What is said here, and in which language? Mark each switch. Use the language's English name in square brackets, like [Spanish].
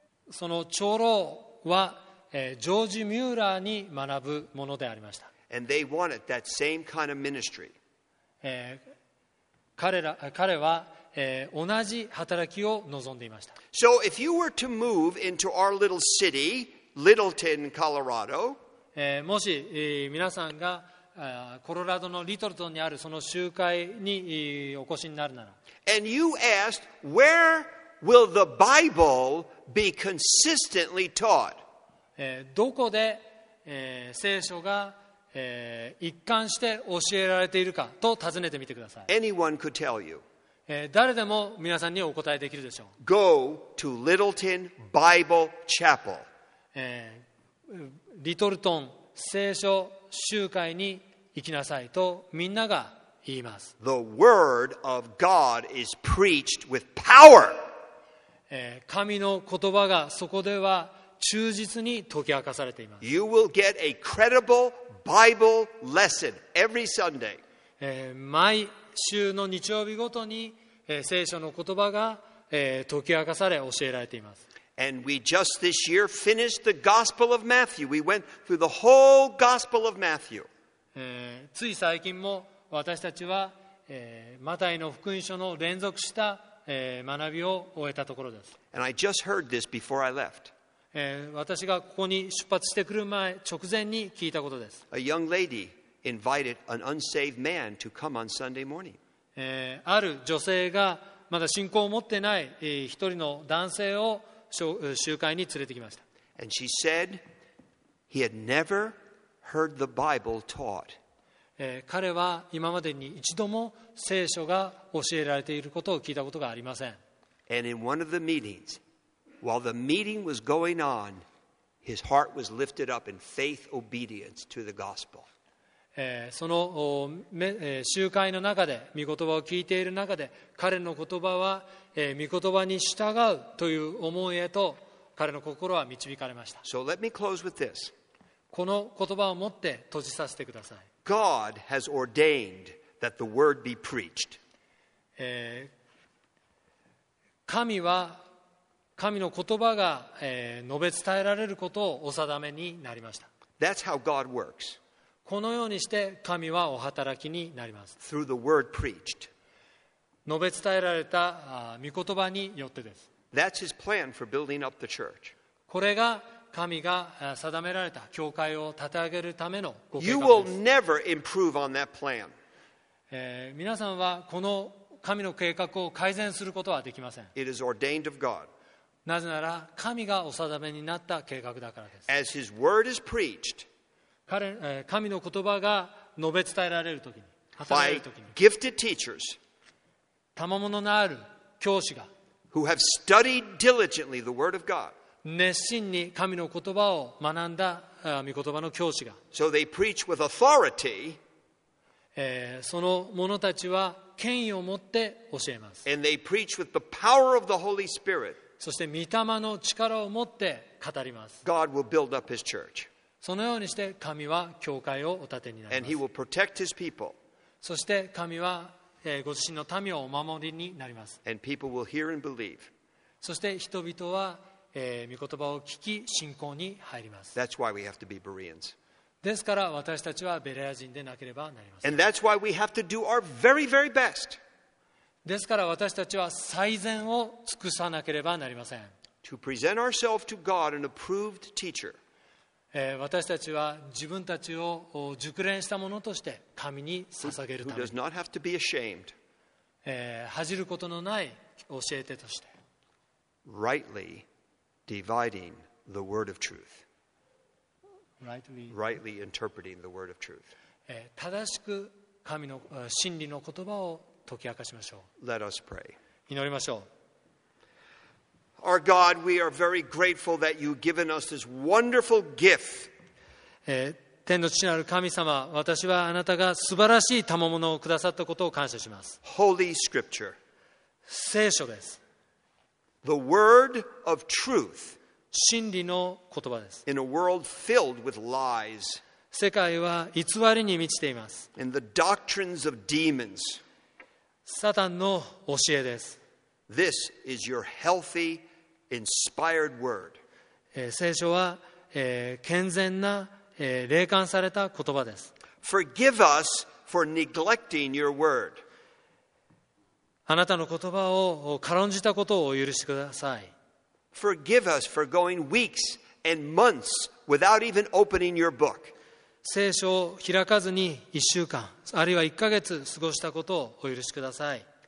[Japanese] その長老は、ジョージ・ミューラーに学ぶものでありました。 [English] And they wanted that same kind of ministry. [Japanese] 彼は、同じ働きを望んでいました。 [English] So if you were to move into our little city,Littleton, Colorado. [Japanese] もし、皆さんが、コロラドのリトルトンにあるその集会に、お越しになるなら、 [English] And you asked, where will the Bible be consistently taught? [Japanese] どこで、聖書が、一貫して教えられているかと尋ねてみてください。 [English] Anyone could tell you. [Japanese] 誰でも皆さんにお答えできるでしょう。 [English] Go to Littleton Bible Chapel. [Japanese] リトルトン聖書集会に行きなさいとみんなが言います。 [English] The word of God is preached with power. [Japanese] 神の言葉がそこでは忠実に解き明かされています。 [English] You will get a credible Bible lesson every Sunday. [Japanese] 毎週の日曜日ごとに、聖書の言葉が、解き明かされ教えられています。 [English] And we just this year finished the Gospel of Matthew. We went through the whole Gospel of Matthew. [Japanese] つい最近も私たちは、マタイの福音書の連続した、学びを終えたところです。 [English] And I just heard this before I left. [Japanese] 私がここに出発してくる前、直前に聞いたことです。 [English] A young lady invited an unsaved man to come on Sunday morning. [Japanese] ある女性がまだ信仰を持ってない、一人の男性を集会に連れてきました。 [English] And she said he had never heard the Bible taught. [Japanese] 彼は今までに一度も聖書が教えられていることを聞いたことがありません。 [English] And in one of the meetings, while the meeting was going on, his heart was lifted up in faith obedience to the gospel. [Japanese] その集会の中で御言葉を聞いている中で、彼の言葉は御言葉に従うという思いへと彼の心は導かれました。 [English] So let me close with this. [Japanese] この言葉を持って閉じさせてください。 [English] God has ordained that the word be preached. [Japanese] 神は神の言葉が述べ伝えられることをお定めになりました。 [English] That's how God works. [Japanese] このようにして神はお働きになります。 [English] Through the word preached. [Japanese] 述べ伝えられた御言葉によってです。 [English] That's his plan for building up the church. [Japanese] これが神が定められた教会を立て上げるためのご計画です。 [English] You will never improve on that plan. [Japanese] 皆さんはこの神の計画を改善することはできません。 [English] It is ordained of God. [Japanese] なぜなら神がお定めになった計画だからです。 [English] As his word is preached, [Japanese] 神の言葉が述べ伝えられるときに、語られるときに、 [English] by gifted teachers, [Japanese] 賜物のある教師が、 [English] who have studied diligently the word of God, [Japanese] 熱心に神の言葉を学んだ御言葉の教師が、 [English] so they preach with authority, [Japanese] その者たちは権威を持って教えます。 [English] and they preach with the power of the Holy Spirit, [Japanese] そして御霊の力を持って語ります。 [English] God will build up his church. [Japanese] そのようにして神は教会をお建てになります。 [English] And he will protect his people. [Japanese] そして神はご自身の民をお守りになります。 [English] And people will hear and believe. [Japanese] そして人々は御言葉を聞き信仰に入ります。 [English] That's why we have to be Bereans. [Japanese] ですから私たちはベレア人でなければなりません。 [English] And that's why we have to do our very, very best. [Japanese] ですから私たちは最善を尽くさなければなりません。 [English] To present ourselves to God an approved teacher. [Japanese] 私たちは自分たちを熟練した者として神に捧げるために、 [English] who does not have to be ashamed. [Japanese] 恥じることのない教え手として、 [English] rightly dividing the word of truth. Rightly interpreting the word of truth. [Japanese] 正しく神の真理の言葉を解き明かしましょう。 [English] Let us pray. [Japanese] 祈りましょう。 [English] Our God, we are very grateful that you've given us this wonderful gift. [Japanese] 天の父なる神様、私はあなたが素晴らしい賜物をくださったことを感謝します。 [English] Holy Scripture. [Japanese] 聖書です。 [English] The word of truth. [Japanese] 真理の言葉です。 [English] In a world filled with lies. [Japanese] 世界は偽りに満ちています。 [English] And the doctrines of demons. [Japanese] サタンの教えです。 [English] This is your healthy, inspired word. [Japanese] 聖書は健全な霊感された言葉です。 [English] Forgive us for neglecting your word. [Japanese] あなたの言葉を軽んじたことをお許しください。 [English] Forgive us for going weeks and months without even opening your book. [Japanese] 聖書を開かずに1週間あるいは1ヶ月過ごしたことをお許しください。